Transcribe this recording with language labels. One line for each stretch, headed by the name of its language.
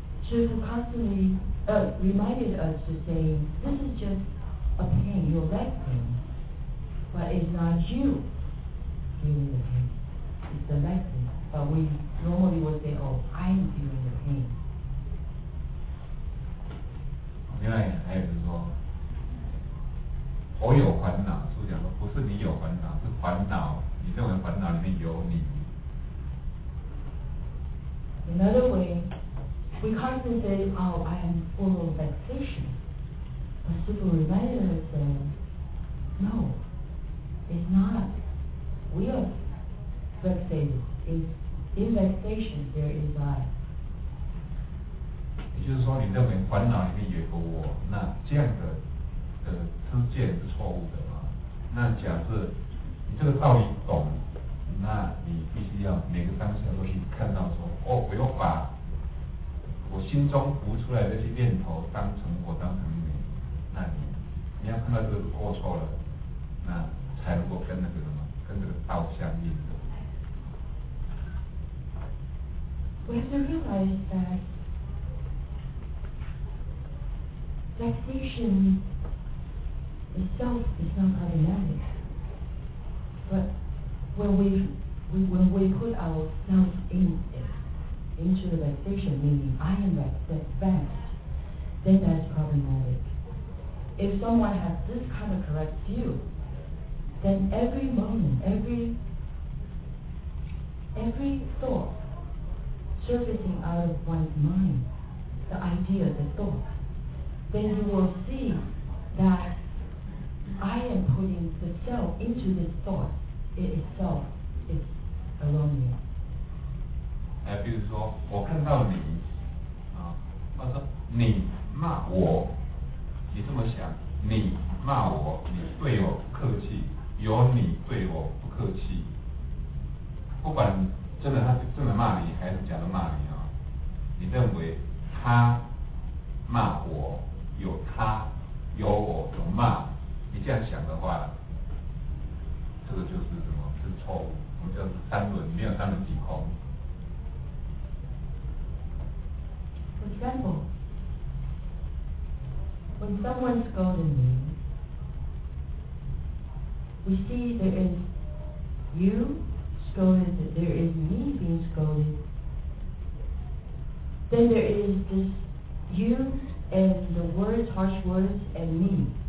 English: Shifu constantly reminded us to say, this is just. A pain, your leg pain, but it's not you feeling the pain, it's the leg pain. But we normally would say, oh, I'm feeling the pain.
Chinese: 另外还有就是说，我有烦恼，书讲说不是你有烦恼，是烦恼，你认为烦恼里面有你。
English: In other way, we constantly say, oh, I am full of vexation. A simple reminder is that no, it's not. We are vexated. In vexation, there is I.
Chinese: 也就是说，你认为烦恼里面有个我，那这样的知见是错误的嘛？那假设你这个道理懂，那你必须要每个当下都去看到说，哦，我要把我心中浮出来的这些念头当成我，当成。那你要看到这个过错了，那才能够跟那个什么，跟这个道相应的。
English: We have to realize that vexation itself is not problematic, but when we put ourselves into the vexation, meaning I am vexed, then that's problematic. If someone has this kind of correct view, then every moment, every thought surfacing out of one's mind, the idea, the thought, then you will see that I am putting the self into this thought, it itself is erroneous.
Chinese: 哎，比如说我看到你，啊，我说你骂我，你这么想，你骂我，你对我不客气，有你对我不客气，不管真的他是真的骂你还是假的骂你啊，你认为他骂我有他有我有骂，你这样想的话，这个就是什么？是错误，我们叫做三轮，没有三轮即空。
English: For example, when someone scolded me, we see there is you scolded, there is me being scolded, then there is this you and the words, harsh words, and me.